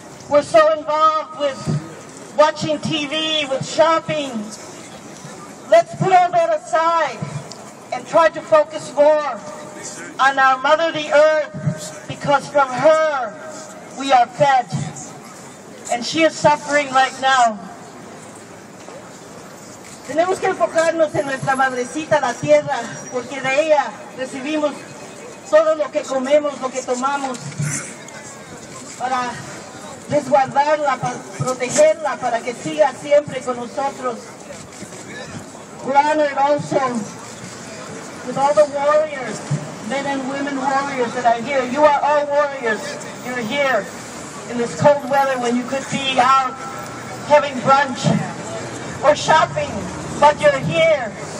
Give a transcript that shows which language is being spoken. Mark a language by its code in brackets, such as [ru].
[en] We're so involved with watching TV, with shopping. Let's put all that aside and try to focus more on our mother the earth, because from her we are fed, and she is suffering right now. [es] Tenemos que enfocarnos en nuestra madrecita la tierra, porque de ella recibimos todo lo que comemos, lo que tomamos, para resguardarla, para protegerla, para que siga siempre con nosotros. [en] Honored also with all the warriors, men and women warriors that are here. You are all warriors. You're here in this cold weather when you could be out having brunch or shopping, but you're here.